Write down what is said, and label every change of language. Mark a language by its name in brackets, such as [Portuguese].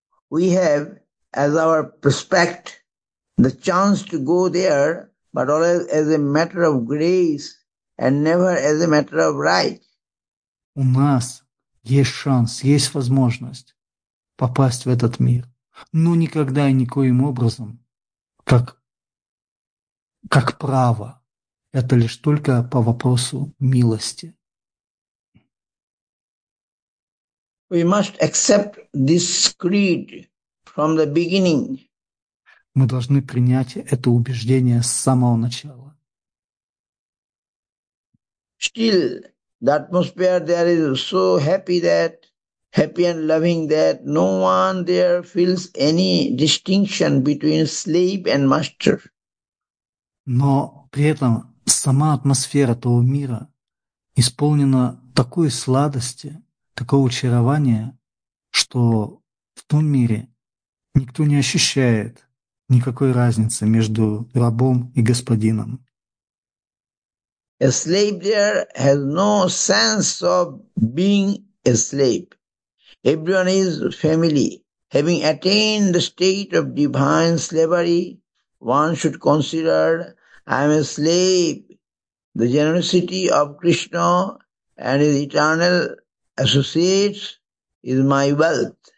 [English] We have as our prospect the chance to go there, but always as a matter of grace and never as a matter of right. [Russian] У нас есть шанс, есть возможность попасть в этот мир, но никогда и никоим образом, как право. Это лишь только по вопросу милости. [English] We must accept this creed from the beginning. [Russian] Мы должны принять это убеждение с самого начала. [English] Still, the atmosphere there is so happy that, happy and loving that no one there feels any distinction between slave and master. [Russian] Но при этом сама атмосфера того мира исполнена такой сладости, такого очарования, что в том мире никто не ощущает никакой разницы между рабом и господином. [English] A slave there has no sense of being a slave. Everyone is family. Having attained the state of divine slavery, one should consider, I am a slave, the generosity of Krishna and his eternal associates is my wealth.